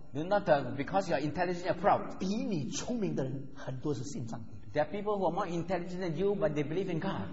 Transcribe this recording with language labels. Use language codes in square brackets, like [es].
[en] You're not because you are intelligent and proud. [zh] 比你聪明的人很多是信上帝。 [en] There are people who are more intelligent than you, but they believe in God.